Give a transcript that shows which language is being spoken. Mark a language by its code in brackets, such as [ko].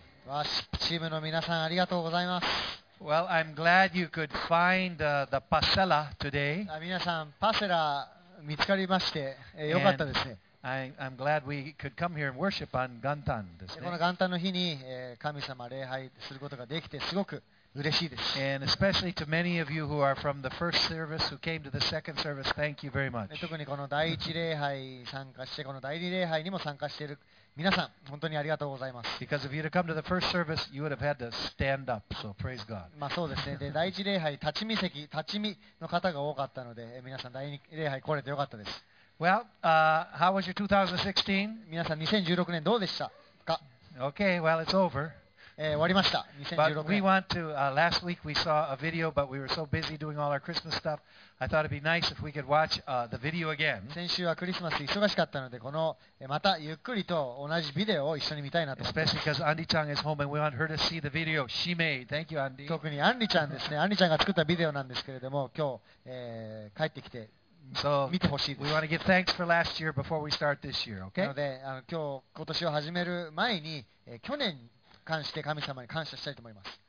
[ja] ワーシップチームの皆さんありがとうございます。 [en] Well, I'm glad you could find the parcela today. [ja] 皆さん、パセラ見つかりまして、よかったですね。 [en] I'm glad we could come here and worship on [ja] 元旦ですね。この元旦の日に、神様礼拝することができて、すごく嬉しいです。 [en] And especially to many of you who are from the first service, who came to the second service, thank you very much. [ja] 特にこの第一礼拝参加して、この第二礼拝にも参加している皆さん、本当にありがとうございます。 [en] Because if you'd have come to the first service, you would have had to stand up. So praise God. [ja] まあそうですね。で、第一礼拝、立ち見席、立ち見の方が多かったので、皆さん第二礼拝来れてよかったです。 [en] Well, how was your 2016? [ja] 皆さん2016年どうでしたか [en] ？Okay, well it's over. [ja] 終わりました。2016年。 [en] But we want to. Last week we saw a video, but we were so busy doing all our Christmas stuff. I thought it'd be nice if we could watch the video again. [ja] 先週はクリスマス忙しかったので、このまたゆっくりと同じビデオを一緒に見たいなと。 [en] Especially because Andy Chang is home and we want her to see the video she made. Thank you, Andy. [ja] 特にアンリちゃんですね。アンリちゃんが作ったビデオなんですけれども、今日、帰ってきて。 [en] So we want to give thanks for last year before we start this year, okay? [ja] なので、今日今年を始める前に、去年に関して神様に感謝したいと思います。